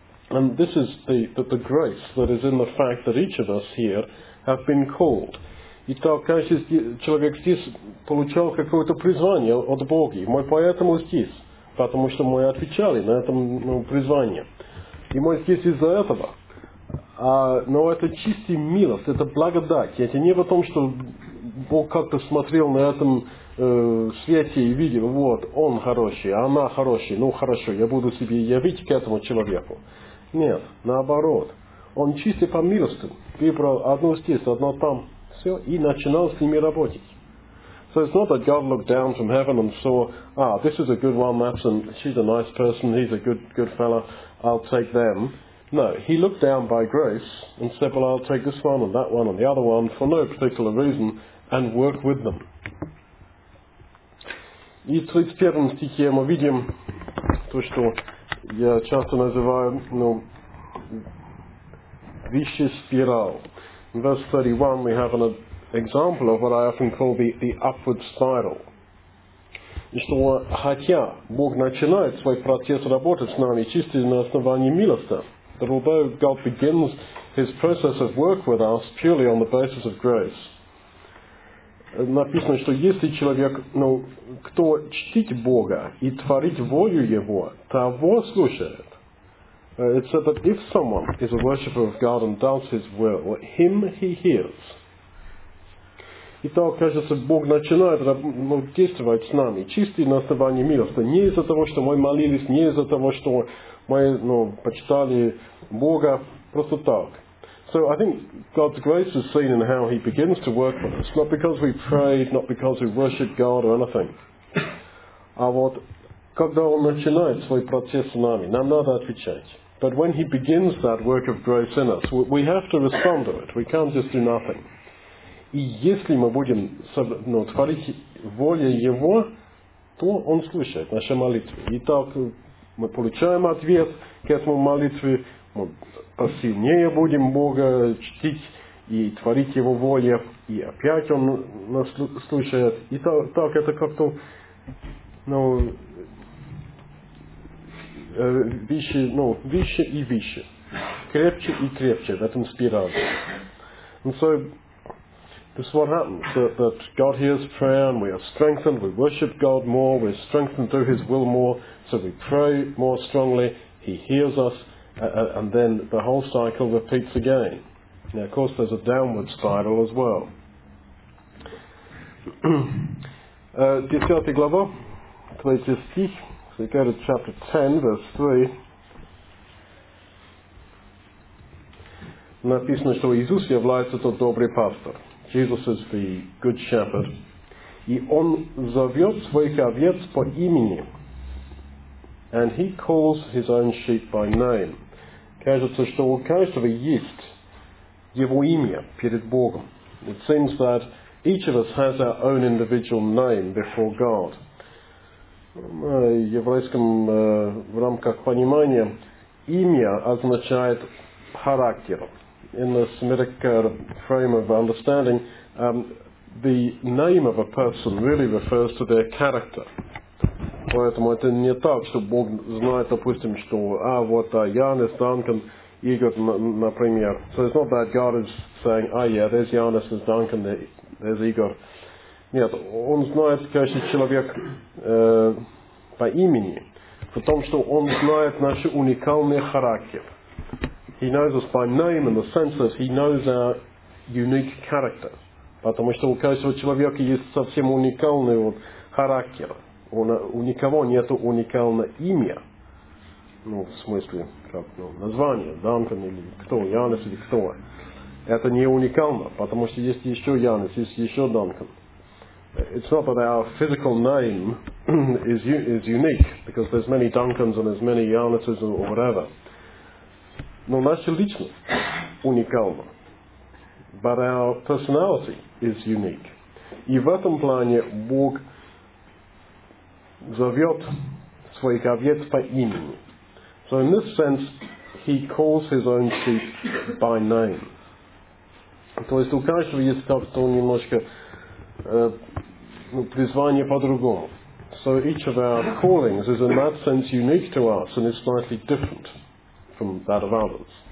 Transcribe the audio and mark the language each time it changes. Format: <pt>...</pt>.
<en>And this is the grace that is in the fact that each of us here have been called.</en> <ru>Итак, каждый человек здесь получал какое-то призвание от Бога. Мы поэтому здесь, потому что мы отвечали на это призвание. И мы здесь из-за этого. Но это чистая милость, это благодать. Это не в том, что Бог как-то смотрел на этом свете и видел, вот, он хороший, она хорошая, ну хорошо, я буду себе явить к этому человеку. Нет, наоборот. Он чистый по милости. Выбрал одну здесь, одну там. Все, и начинал с ними работать.</ru> <en>So it's not that God looked down from heaven and saw, ah, this is a good one, that's and she's a nice person, he's a good fella, I'll take them. No, he looked down by grace and said, well, I'll take this one and that one and the other one for no particular reason and work with them.</en> <ru>И в 31 стихе мы видим то, что я часто называю, ну, вещи спирал.</ru> <en>In verse 31 we have an example of what I often call the upward spiral.</en> <ru>И что хотя Бог начинает свой процесс работы с нами чисто на основании милости,</ru> <en>that although God begins his process of work with us purely on the basis of grace,</en> <ru>написано, что если человек, ну, кто чтить Бога и творить волю Его, того слушает.</ru> <en>It said that if someone is a worshipper of God and does his will, him he hears.</en> <ru>И то, кажется, Бог начинает, ну, действовать с нами, чистый на основании милости, не из-за того, что мы молились, не из-за того, что мы, ну, почитали Бога, просто так.</ru> <en>So I think God's grace is seen in how he begins to work with us. Not because we prayed, not because we worshipped God or anything.</en> <ru>А вот когда он начинает свой процесс с нами, нам надо отвечать.</ru> <en>But when he begins that work of grace in us, we have to respond to it. We can't just do nothing.</en> <ru>И если мы будем, ну, творить волю его, то он слушает наши молитвы. Итак, мы получаем ответ к этому молитве. Мы посильнее будем Бога чтить и творить Его воле, и опять Он нас слушает. И так это как-то, ну, вещи, ну, вещи и вещи. Крепче и крепче в этом спирале.</ru> <en>And so, this is what happens, that God hears prayer and we are strengthened, we worship God more, we're strengthened through His will more, so we pray more strongly, He hears us, and then the whole cycle repeats again. Now, of course, there's a downward spiral as well.</en> <ru>Десятая глава, 3 стих.</ru> <en>So go to chapter 10, verse 3.</en> <ru>Написано, что Иисус является тот добрый пастор.</ru> <en>Jesus is the good shepherd.</en> <ru>И он зовет своих овец по имени.</ru> <en>And he calls his own sheep by name.</en> <ru>Кажется, что у каждого есть его имя перед Богом.</ru> <en>It seems that each of us has our own individual name before God.</en> <ru>Еврейском в рамках понимания имя означает характер.</ru> <en>In the Semitic frame of understanding, the name of a person really refers to their character.</en> <ru>Поэтому это не так, что Бог знает, допустим, что Янис Данкан, Игорь, например.</ru> <en>So it's not that God is saying, there's Янис, there's Данкан, there's Игорь.</en> <ru>Нет, Он знает каждый человек по имени, потому что Он знает наш уникальный характер.</ru> <en>He knows us by name in the sense that He knows our unique character.</en> <ru>Потому что у каждого человека есть совсем уникальный характер. У никого нет уникального имя, название, Данкан или кто, Янис или кто. Это не уникально, потому что есть еще Янис, есть еще Данкан.</ru> <en>It's not that our physical name is unique, because there's many Duncans and there's many Yanises or whatever.</en> <ru>Но наша личность уникальна.</ru> <en>But our personality is unique.</en> <ru>И в этом плане Бог зовет своих овец по имени.</ru> <en>So in this sense, He calls His own sheep by name.</en> <ru>То есть у каждого есть как-то немножко призвание по-другому.</ru> <en>So each of our callings is in that sense unique to us and is slightly different from that of others.</en>